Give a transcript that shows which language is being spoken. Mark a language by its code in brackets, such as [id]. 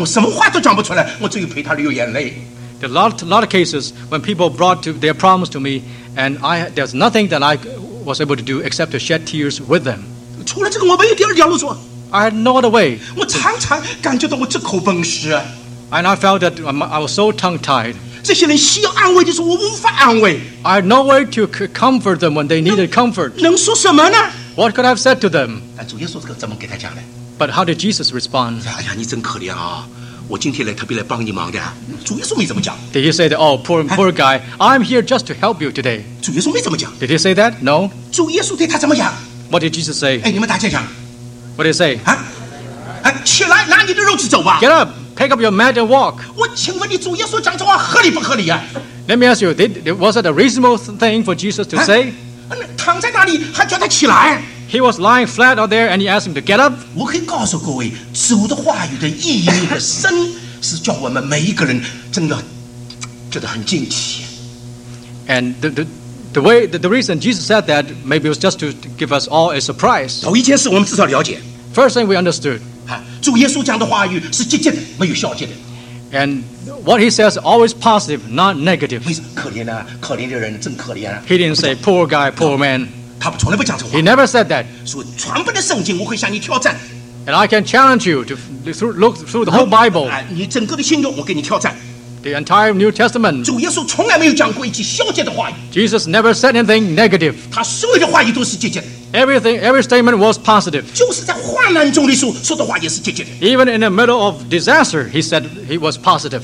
[zh] 有多少人困难带到我面前的时候，我什么话都讲不出来，我只有陪他流眼泪。 [en] There are a lot of cases when people brought their problems to me, and there's nothing that I was able to do except to shed tears with them. [zh] 除了这个，我没有第二条路走。 [en] I had no other way. [zh] 我常常感觉到我这口崩湿。And [en] I felt that I was so tongue-tied. [zh] 这些人需要安慰的时候，我无法安慰。I [en] had no way to comfort them when they needed comfort. [zh] 能说什么呢？ [en] What could I have said to them? [zh] 但主耶稣怎么给他讲呢？ [en] But how did Jesus respond? [zh] 哎呀，你真可怜啊！我今天来特别来帮你忙的。主耶稣没怎么讲。 [en] Did he say that? Oh, poor guy. I'm here just to help you today. [zh] 主耶稣没怎么讲。 [en] Did he say that? No. [zh] 主耶稣对他怎么讲？ [en] What did Jesus say? [zh] 哎，你们大家讲。 [en] What do you say? [zh] 起来，拿你的肉去走吧。 [en] Get up, pick up your mat and walk. [zh] 我请问你，主耶稣讲这话合理不合理啊？ [en] Let me ask you, was it a reasonable thing for Jesus to say? [zh] 躺在那里还叫他起来？ [en] He was lying flat out there, and he asked him to get up. [zh] 我可以告诉各位，主的话语的意义和深，是叫我们每一个人真的觉得很惊奇。 [en] And the reason Jesus said that maybe it was just to give us all a surprise. [zh] 头一件事我们至少了解。 [en] First thing we understood. [zh] 主耶稣讲的话语是积极的，没有消极的。 [en] And what he says always positive, not negative. [zh] 可怜的人真可怜。 [en] He didn't say poor guy, poor man. [zh] 他从来不讲这话。 [en] He never said that. [zh] 所以全部的圣经我会向你挑战。 [en] And I can challenge you to look through the whole Bible. [zh] 你整个的信仰我给你挑战。 [en] The entire New Testament. [zh] 主耶稣从来没有讲过一句消极的话语。 [en] Jesus never said anything negative. [zh] 他所有的话语都是积极的。 [en] Every statement was positive. [zh] 就是在患难中的时候说的话也是积极的。 [en] Even in the middle of disaster, he said he was positive.